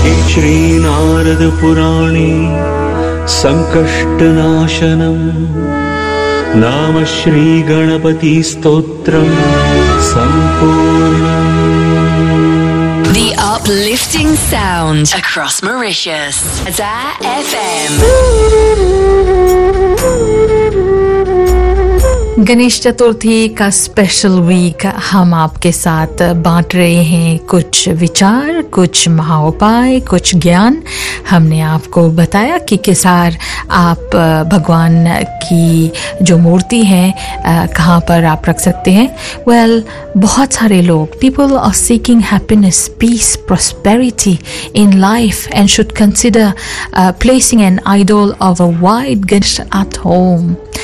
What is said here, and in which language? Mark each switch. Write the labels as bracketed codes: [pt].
[sa] श्रीनारदपुराणे सङ्कष्टनाशनम् नाम श्रीगणपतिस्तोत्रम् सम्पूर्णम् [en] The uplifting sound across Mauritius Dar FM [hi] Ganesh Chaturthi का स्पेशल वीक हम आपके साथ बांट रहे हैं कुछ विचार कुछ महाउपाय कुछ ज्ञान हमने आपको बताया कि किसार आप भगवान की जो मूर्ति है कहाँ पर आप रख सकते हैं वेल बहुत सारे लोग [en] people are seeking happiness peace prosperity in life and should consider placing an idol of a white Ganesh at home